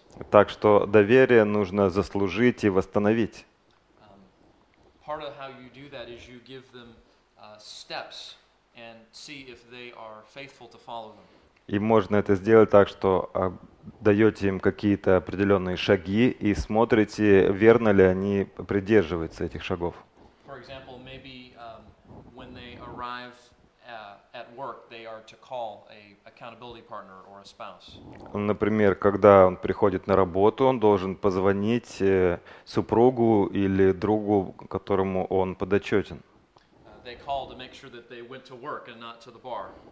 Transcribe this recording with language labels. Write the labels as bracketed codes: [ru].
[ru] Так что доверие нужно заслужить и восстановить. [en] part of how you do that is you give them steps and see if they are faithful to follow them. [ru] И можно это сделать так, что даете им какие-то определенные шаги и смотрите, верно ли они придерживаются этих шагов. [en] For example, maybe when they arrive at work, they are to call an accountability partner or a spouse. [ru] Например, когда он приходит на работу, он должен позвонить супругу или другу, которому он подотчетен. [en] They call to make sure that they went to work and not to the bar.